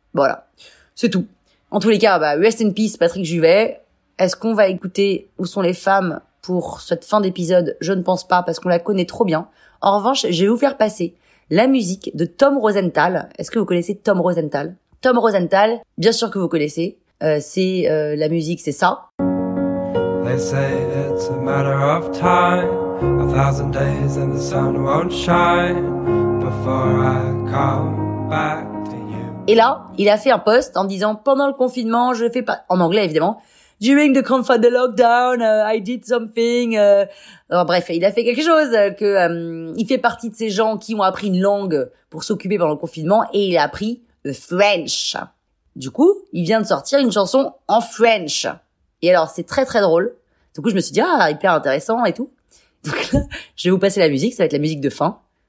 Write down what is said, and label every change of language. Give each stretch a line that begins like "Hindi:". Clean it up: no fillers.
French: Voilà, c'est tout. En tous les cas, bah,
English: rest in peace,
French: Patrick Juvet. Est-ce qu'on va écouter Où sont les femmes pour cette fin d'épisode? Je ne pense pas, parce qu'on la connaît trop bien. En revanche, je vais vous faire passer la musique de Tom Rosenthal. Est-ce que vous connaissez Tom Rosenthal? Tom Rosenthal, bien sûr que vous connaissez. C'est la musique, c'est ça.
English: They say it's a matter of time, a thousand days and the sun won't shine before I come back to you.
French: Et là, il a fait un post en disant pendant le confinement, je fais pas, en anglais évidemment.
English: During the confinement, the lockdown, I did something.
French: Alors, bref, il a fait quelque chose. Il fait partie de ces gens qui ont appris une langue pour s'occuper pendant le confinement et il a appris le French. Du coup, il vient de sortir une chanson en French. Et alors, c'est très très drôle. Du coup, je me suis dit, ah, hyper intéressant et tout. Donc là, je vais vous passer la musique, ça va être la musique de fin.